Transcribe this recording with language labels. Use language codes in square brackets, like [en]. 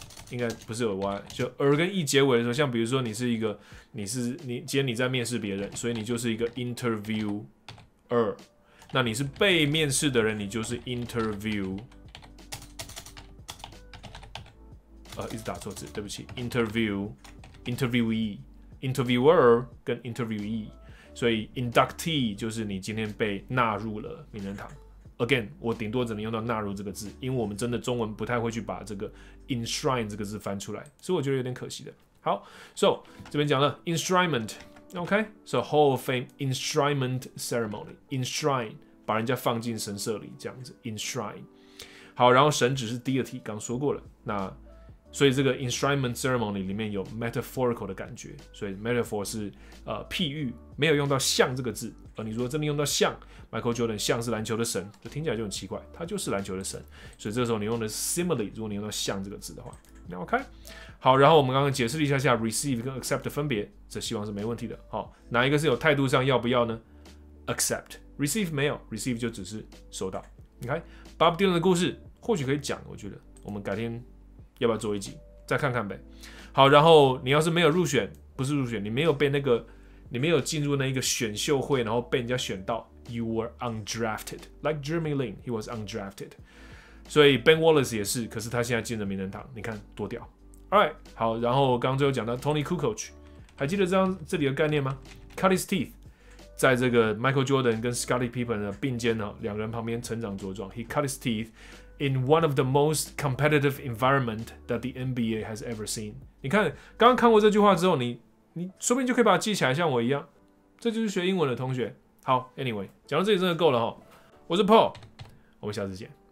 [zh] 应该不是有 Y， 就 er 跟 e 结尾的时候，像比如说你是一个，你今天你在面试别人，所以你就是一个 interviewer， 那你是被面试的人，你就是 interview， 一直打错字，对不起 ，interviewee 跟 interviewee， 所以 inductee 就是你今天被纳入了名人堂。 Again， 我顶多只能用到"纳入"这个字，因为我们真的中文不太会去把这个 "enshrine" 这个字翻出来，所以我觉得有点可惜的。好 ，So 这边讲了 enshrinement，OK，、okay? So Hall of Fame enshrinement ceremony，enshrine 把人家放进神社里这样子 ，enshrine。好，然后神只是 deity， 刚说过了，那所以这个 enshrinement ceremony 里面有 metaphorical 的感觉，所以 metaphor 是譬喻，没有用到"像"这个字。而你如果真的用到像 Michael Jordan 像是篮球的神，这听起来就很奇怪，他就是篮球的神，所以这时候你用的是 simile， 如果你用到像这个字的话，那 OK， 好，然后我们刚刚解释了一下下 receive 跟 accept 的分别，这希望是没问题的。好，哪一个是有态度上要不要呢？accept， receive 没有， receive 就只是收到。你看 Bob Dylan 的故事或许可以讲，我觉得我们改天要不要做一集再看看呗。好，然后你要是没有入选，不是入选，你没有被那个，你没有进入那一个选秀会，然后被人家选到。 [en] You were undrafted, like Jeremy Lin, he was undrafted. [zh] 所以 Ben Wallace 也是，可是他现在进了名人堂，你看多屌。 All right， 好，然后刚刚最后讲到 Tony Kukoc， 还记得这里的概念吗 ？ [en] Cut his teeth， [zh] 在这个 Michael Jordan 跟 Scottie Pippen 的并肩哈，两人旁边成长茁壮。 [en] He cut his teeth in one of the most competitive environment that the NBA has ever seen。 [zh] 你看，刚刚看过这句话之后，你说不定就可以把它记起来，像我一样，这就是学英文的同学。好 ，Anyway， 讲到这里真的够了哈。我是 Paul， 我们下次见。